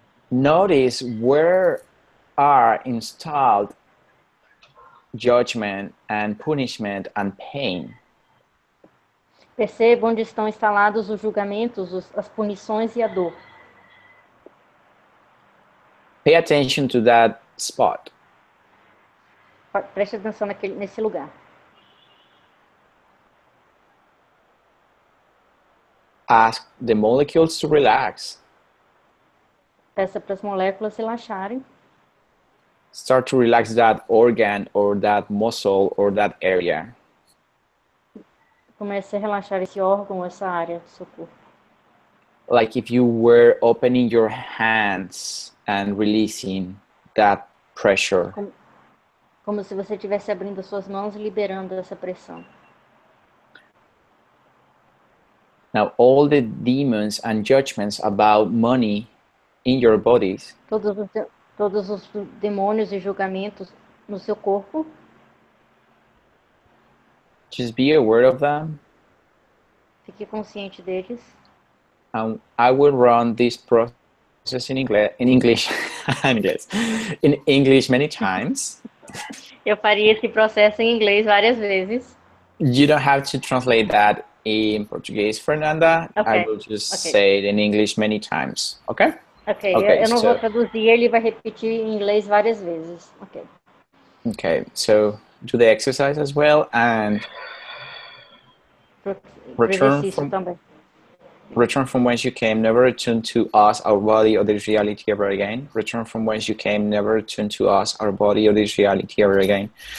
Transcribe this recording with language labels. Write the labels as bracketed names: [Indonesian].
[English] Notice where are installed judgment and punishment and pain. [Portuguese] Perceba onde estão instalados os julgamentos, as punições e a dor. [English] Pay attention to that spot. [Portuguese] Preste atenção nesse lugar. [English] Ask the molecules to relax. [Portuguese] Peça para as moléculas relaxarem. [English] Start to relax that organ or that muscle or that area. [Portuguese] Comece a relaxar esse órgão, essa área do seu corpo. [English] Like if you were opening your hands and releasing that pressure. [Portuguese] Como se você estivesse abrindo as suas mãos e liberando essa pressão. [English] Now all the demons and judgments about money in your bodies. [Portuguese] Todos os demônios e julgamentos no seu corpo. [English] Just be aware of them. [Portuguese] Fique consciente deles. [English] I will run this process in English many times. [Portuguese] Eu faria esse processo em inglês várias vezes. [English] You don't have to translate that in Portuguese, Fernanda. Okay. I will just say it in English many times. Okay? Okay. Okay. [Portuguese] Eu não vou traduzir, ele vai repetir em inglês várias vezes. [English] Okay. Okay. So do the exercise as well and return from whence you came, never return to us, our body, or this reality ever again. Return from whence you came, never return to us, our body, or this reality ever again.